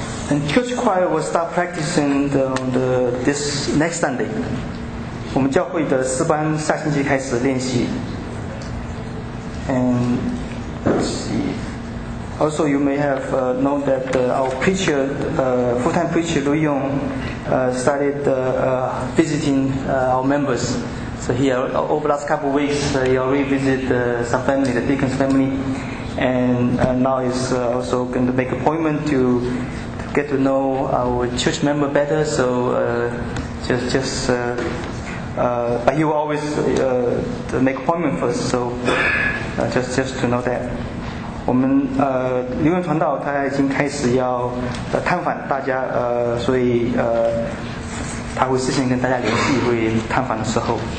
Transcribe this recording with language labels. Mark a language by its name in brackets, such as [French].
[English] And church choir will start practicing this next Sunday. [Chinese] 我们教会的诗班下星期开始练习。 [English] And let's see. Also, you may have known that our preacher, full-time preacher Lu Yong, started visiting our members. So he over the last couple of weeks, he already visited some family, the deacon's family, and now he's also going to make appointment to. Get to know our church member better, so but he will always make appointment first, so just to know that. [Chinese] 我们刘文传道他已经开始要探访大家，所以他会事先跟大家联系，会探访的时候。